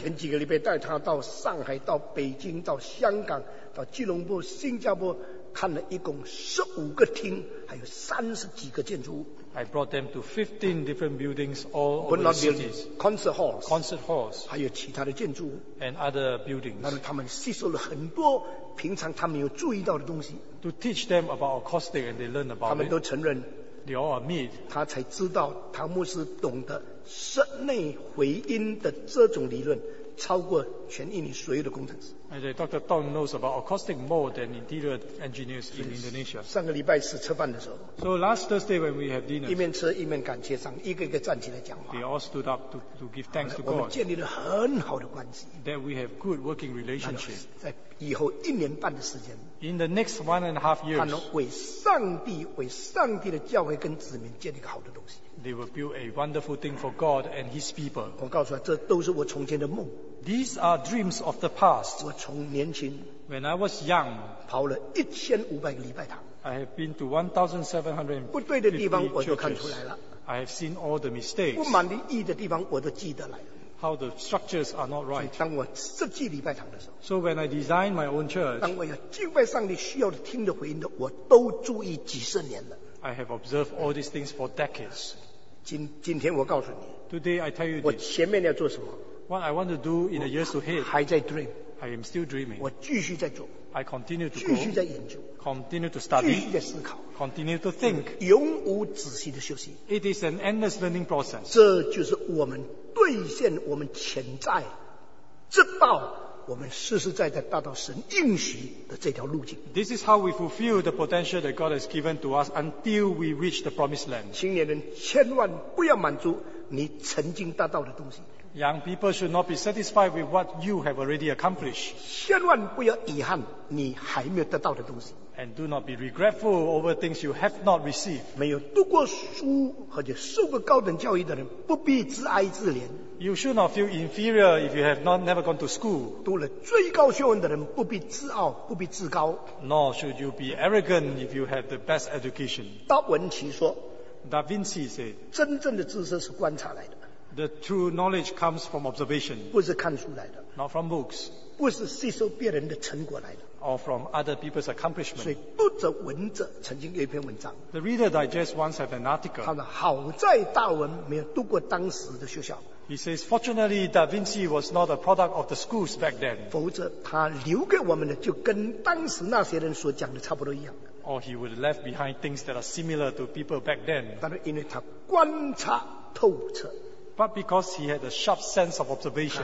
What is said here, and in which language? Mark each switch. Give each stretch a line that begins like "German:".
Chinese: 前几个礼拜带他到上海、到北京、到香港、到吉隆坡、新加坡。看了一共十五个厅，还有三十几个建筑物。
English: I brought them to 15 different buildings all over the cities. Concert halls. Concert halls.
Chinese: 还有其他的建筑物。
English: And other buildings.
Chinese: 那么他们吸收了很多平常他们有注意到的东西。
English: To teach them about acoustic and they learn about it.
Chinese: 他们都承认。
English: They all admit.
Chinese: 他才知道唐牧师懂得室内回音的这种理论。超过全印尼所有的工程师。
English: Okay, Dr. Tong knows about acoustic more than interior engineers in Indonesia.
Chinese: 上个礼拜是吃饭的时候。
English: So last Thursday when we have dinner.
Chinese: 一面吃一面感谢上帝，一个一个站起来讲话。
English: They all stood up to give thanks to God.
Chinese: 我们建立了很好的关系。
English: That we have good working relationship.
Chinese: 在以后一年半的时间。
English: In the next 1.5 years.
Chinese: 他们为上帝、为上帝的教会跟子民建立一个好的东西。
English: They will build a wonderful thing for God and His people.
Chinese: 我告诉他，这都是我从前的梦。
English: These are dreams of the past.
Chinese: 我从年轻
English: ，When I was young,
Chinese: 跑了1500个礼拜堂。
English: I have been to 1,750
Chinese: 不对的地方我就看出来了。
English: I have seen all the mistakes.
Chinese: 不满意的地方我都记得来了。
English: How the structures are not right.
Chinese: 当我设计礼拜堂的时候。
English: So when I design my own church.
Chinese: 当我要敬拜上帝需要听的回应的我都注意几十年了。
English: I have observed all these things for decades.
Chinese: 今天我告诉你。
English: Today I tell you this.
Chinese: 我前面要做什么。
English: What I want to do in the years ahead.
Chinese: 还在 dream.
English: I am still dreaming.
Chinese: 我继续在做。
English: I continue to go,
Chinese: 继续在研究
English: continue to study,
Chinese: 继续在思考
English: continue to think,
Chinese: 永无止息的休息
English: It is an endless learning process
Chinese: 这就是我们兑现我们潜在直到我们实实在在达到神应许的这条路径
English: This is how we fulfill the potential that God has given to us until we reach the promised land
Chinese: 青年人千万不要满足你曾经达到的东西
English: Young people should not be satisfied with what you have already accomplished.
Chinese: 千万不要遗憾你还没有得到的东西。
English: And do not be regretful over things you have not received.
Chinese: 没有读过书或者受过高等教育的人不必自哀自怜。
English: You should not feel inferior if you have not never gone to school.
Chinese: 读了最高学问的人不必自傲不必自高。
English: Nor should you be arrogant if you have the best education.
Chinese: 达文奇说
English: Da Vinci said,
Chinese: 真正的知识是观察来的。
English: The true knowledge comes from observation,
Chinese: 不是看书来的
English: not from books,
Chinese: 不是吸收别人的成果来的
English: or from other people's accomplishment.
Chinese: 所以读者闻者曾经有一篇文章
English: The reader digest once have an article.
Chinese: 他说好在达文没有读过当时的学校
English: He says, fortunately, Da Vinci was not a product of the schools back then.
Chinese: 否则他留给我们的就跟当时那些人所讲的差不多一样
English: Or he would have left behind things that are similar to people back then.
Chinese: 但是因为他观察透彻
English: But because he had a sharp sense of observation,